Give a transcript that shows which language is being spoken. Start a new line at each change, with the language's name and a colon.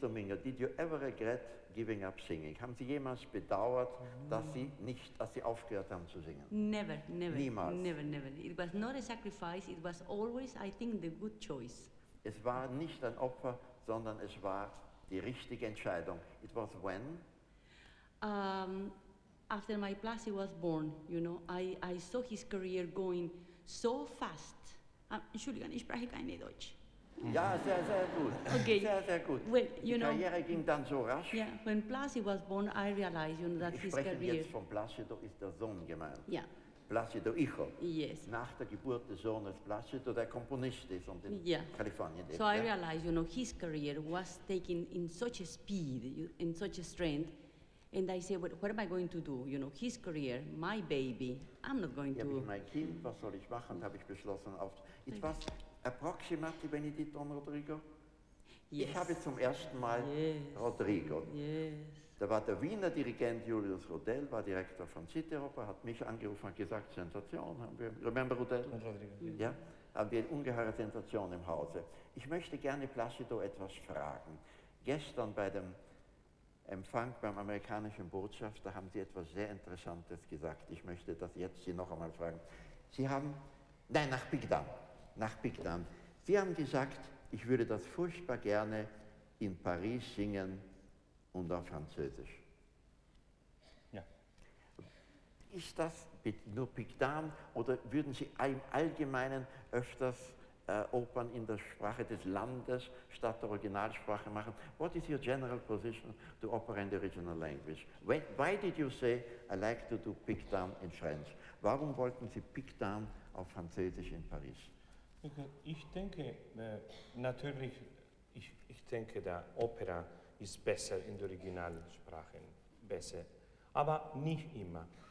English: Domingo, did you ever regret giving up singing?
German: Haben Sie jemals bedauert, dass Sie aufgehört haben zu singen?
English: Never.
German: Niemals.
English: Never. It was not a sacrifice, it was always, I think, the good choice.
German: Es war nicht ein Opfer, sondern es war die richtige Entscheidung.
English: It was when? After my Placido was born, you know, I saw his career going so fast.
German: Entschuldigung, ich spreche kein Deutsch. Ja, sehr gut.
English: Okay.
German: Sehr gut.
English: Well, you know,
German: Karriere ging dann so rasch.
English: Yeah, when Placido was born, I realized, you know, that
German: ich
English: his career...
German: Ich spreche jetzt von Placido, ist der Sohn gemeint.
English: Yeah.
Spanish: Placido Hijo,
English: yes.
German: Nach der Geburt des Sohnes Placido, der Komponist ist und in Kalifornien lebt.
English: So I realized, you know, his career was taking in such a speed, in such a strength, and I said, well, what am I going to do? You know, his career, my baby, I'm not going to...
German: Ja, mein Kind, was soll ich machen, habe ich beschlossen.
English: It was approximately Benedict Don Rodrigo. Yes.
German: Ich habe zum ersten Mal Rodrigo.
English: Yes.
German: Da war der Wiener Dirigent Julius Rodel, war Direktor von Cityoper, hat mich angerufen und gesagt, Sensation, haben wir, remember Rodel? Ja, haben wir eine ungeheure Sensation im Hause. Ich möchte gerne Placido etwas fragen. Gestern bei dem Empfang beim amerikanischen Botschafter haben Sie etwas sehr Interessantes gesagt. Ich möchte das jetzt Sie noch einmal fragen. Sie haben, nach Big Dan. Sie haben gesagt, ich würde das furchtbar gerne in Paris singen, und auf Französisch. Ja. Ist das nur Big Dan oder würden Sie im Allgemeinen öfters Opern in der Sprache des Landes statt der Originalsprache machen?
English: What is your general position to opera in the original language? Why did you say, I like to do Big Dan in French?
German: Warum wollten Sie Big Dan auf Französisch in Paris? Ich denke, natürlich, ich denke, der Opera ist besser in der originalen Sprache, besser, aber nicht immer.